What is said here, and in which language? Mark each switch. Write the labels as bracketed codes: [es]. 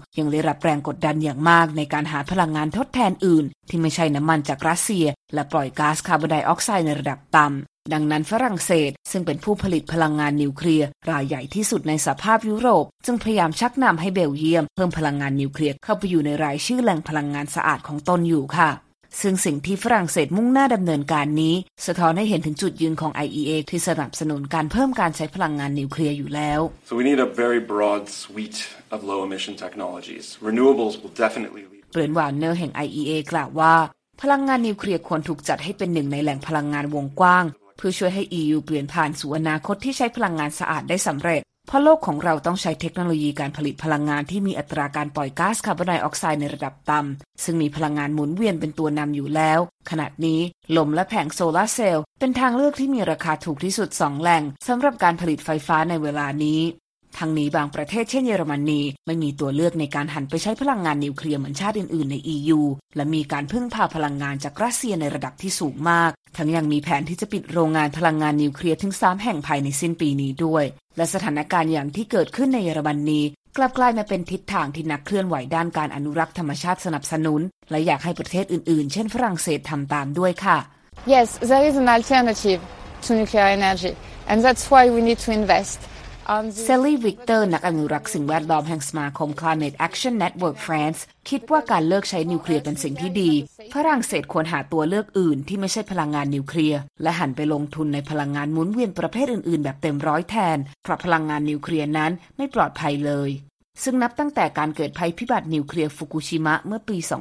[th] ยังได้รับแรงกดดันอย่างมากในการหาพลังงานทดแทนอื่นที่ไม่ใช่น้ำมันจากรัสเซียและปล่อยก๊าซคาร์บอนไดออกไซด์ในระดับต่ำดังนั้นฝรั่งเศสซึ่งเป็นผู้ผลิตพลังงานนิวเคลียร์รายใหญ่ที่สุดในสหภาพยุโรปจึงพยายามชักนำให้เบลเยียมเพิ่มพลังงานนิวเคลียร์เข้าไปอยู่ในรายชื่อแหล่งพลังงานสะอาดของตนอยู่ค่ะซึ่งสิ่งที่ฝรั่งเศสมุ่งหน้าดำเนินการนี้สะท้อนให้เห็นถึงจุดยืนของ IEA ที่สนับสนุนการเพิ่มการใช้พลังงานนิวเคลียร์อยู่แล้ว [en] So we need a very broad suite of low emission technologies. Renewables will definitely lead. [th] เบรนท์ วาร์เนอร์แห่ง IEA กล่าวว่าพลังงานนิวเคลียร์ควรถูกจัดให้เป็นหนึ่งในแหล่งพลังงานวงกว้างเพื่อช่วยให้ EU เปลี่ยนผ่านสู่อนาคตที่ใช้พลังงานสะอาดได้สำเร็จเพราะโลกของเราต้องใช้เทคโนโลยีการผลิตพลังงานที่มีอัตราการปล่อยก๊าซคาร์บอนไดออกไซด์ในระดับต่ำซึ่งมีพลังงานหมุนเวียนเป็นตัวนำอยู่แล้วขณะนี้ลมและแผงโซลาร์เซลล์เป็นทางเลือกที่มีราคาถูกที่สุด2แหล่งสำหรับการผลิตไฟฟ้าในเวลานี้ ทั้งนี้บางประเทศเช่นเยอรมนีไม่มีตัวเลือกในการหันไปใช้พลังงานนิวเคลียร์เหมือนชาติอื่นๆใน EU และมีการพึ่งพาพลังงานจากรัสเซียในระดับที่สูงมากทั้งยังมีแผนที่จะปิดโรงงานพลังงานนิวเคลียร์ถึง3แห่งภายในสิ้นปีนี้ด้วยและสถานการณ์อย่างที่เกิดขึ้นในเยอรมนีกลับกลายมาเป็นทิศทางที่นักเคลื่อนไหวด้านการอนุรักษ์ธรรมชาติสนับสนุนและอยากให้ประเทศอื่นๆเช่นฝรั่งเศสทำตามด้วยค่ะ [en] Yes there is an alternative to nuclear energy and that's why we need to invest [th] Sally Victor นักอนุรักษ์สิ่งแวดล้อมแห่งสมาคม Climate Action Network France คิดว่าการเลิกใช้นิวเคลียร์เป็นสิ่งที่ดีฝรั่งเศสควรหาตัวเลือกอื่นที่ไม่ใช่พลังงานนิวเคลียร์และหันไปลงทุนในพลังงานหมุนเวียนประเภทอื่นๆแบบเต็มร้อยแทนเพราะพลังงานนิวเคลียร์นั้นไม่ปลอดภัยเลยซึ่งนับตั้งแต่การเกิดภัยพิบัตินิวเคลียร์ฟุกุชิมะเมื่อปี